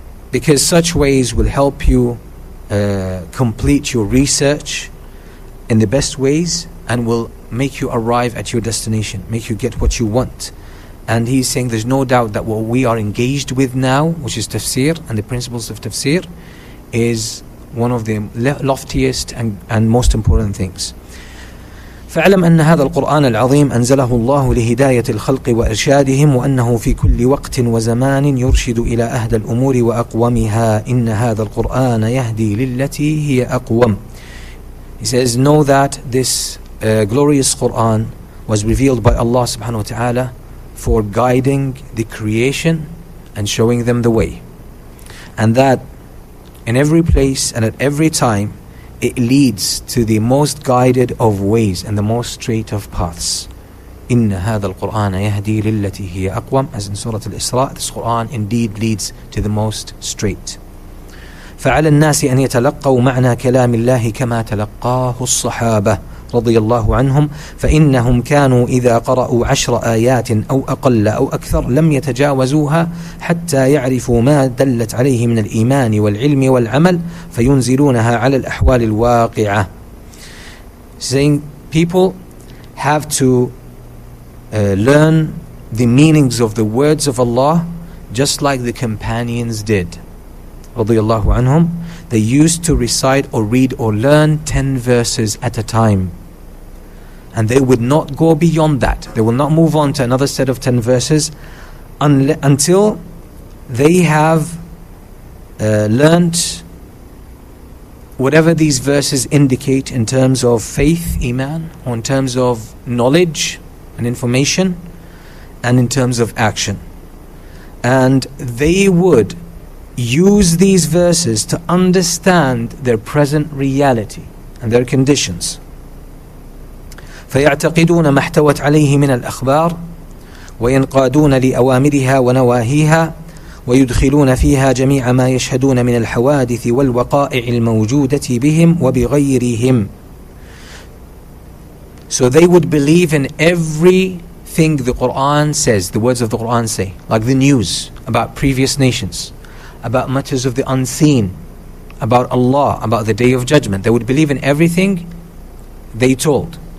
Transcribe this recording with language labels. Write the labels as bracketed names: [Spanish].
[English] Because such ways will help you complete your research in the best ways and will make you arrive at your destination, make you get what you want. And he's saying there's no doubt that what we are engaged with now, which is tafsir and the principles of tafsir, is one of the loftiest and most important things. [Arabic] فاعلم أن هذا القرآن العظيم أنزله الله لهداية الخلق وإرشادهم، وأنه في كل وقت وزمان يرشد إلى أهدى الأمور وأقومها. إن هذا القرآن يهدي للتي هي أقوم. [English] He says, know that this glorious Quran was revealed by Allah subhanahu wa ta'ala for guiding the creation and showing them the way. And that in every place and at every time, it leads to the most guided of ways and the most straight of paths. [Arabic] إن هذا القرآن يهدي للتي هي أقوم. [English] As in Surah Al-Isra, this Quran indeed leads to the most straight. [Arabic] فعلى الناس أن يتلقوا معنى كلام الله كما تلقاه الصحابة رضي الله عنهم، فإنهم كانوا إذا قرأوا 10 آيات أو أقل أو أكثر لم يتجاوزوها حتى يعرفوا ما دلت عليه من الإيمان والعلم والعمل فينزلونها على الأحوال الواقعة. [English] Saying people have to learn the meanings of the words of Allah just like the companions did [Arabic] رضي الله عنهم. [English] They used to recite or read or learn 10 verses at a time. And they would not go beyond that. They will not move on to another set of 10 verses until they have learnt whatever these verses indicate in terms of faith, iman, or in terms of knowledge and information, and in terms of action. And they would use these verses to understand their present reality and their conditions. [Arabic] فيعتقدون ما احتوت عليه من الأخبار وينقادون لأوامرها ونواهيها ويدخلون فيها جميع ما يشهدون من الحوادث والوقائع الموجودة بهم وبغيرهم. [English] So they would believe in everything the Quran says, the words of the Quran say, like the news about previous nations, about matters of the unseen, about Allah, about the Day of Judgment. They would believe in everything they told.